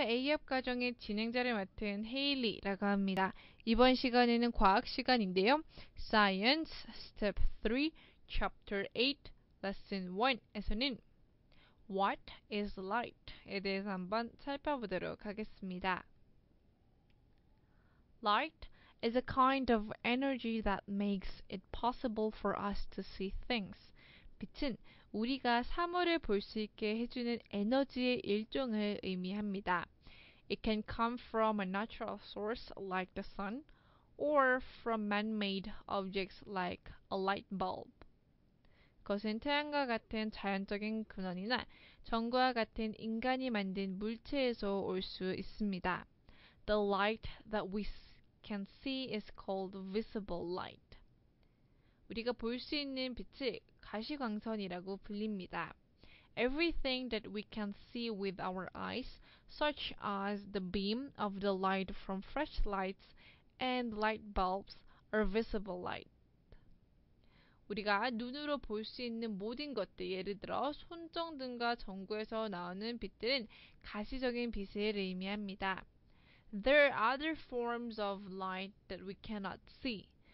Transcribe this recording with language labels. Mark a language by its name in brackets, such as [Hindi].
[Korean] A앱 과정의 진행자를 맡은 헤일리라고 합니다. 이번 시간에는 과학 시간인데요. [English] Science Step 3 Chapter 8 Lesson 1에서는 What is light? [Korean] 에 대해서 한번 살펴보도록 하겠습니다. [English] Light is a kind of energy that makes it possible for us to see things. [Korean] 빛은 우리가 사물을 볼 수 있게 해주는 에너지의 일종을 의미합니다. [English] It can come from a natural source like the sun or from man-made objects like a light bulb. [Korean] 그것은 태양과 같은 자연적인 근원이나 전구와 같은 인간이 만든 물체에서 올 수 있습니다. [English] The light that we can see is called visible light. [Korean] 우리가 볼 수 있는 빛이 가시광선이라고 불립니다. [English] Everything that we can see with our eyes, such as the beam of the light from flashlights and light bulbs, are visible light. [Korean] 우리가 눈으로 볼 수 있는 모든 것들, 예를 들어 손전등과 전구에서 나오는 빛들은 가시적인 빛을 의미합니다. [English] There are other forms of light that we cannot see.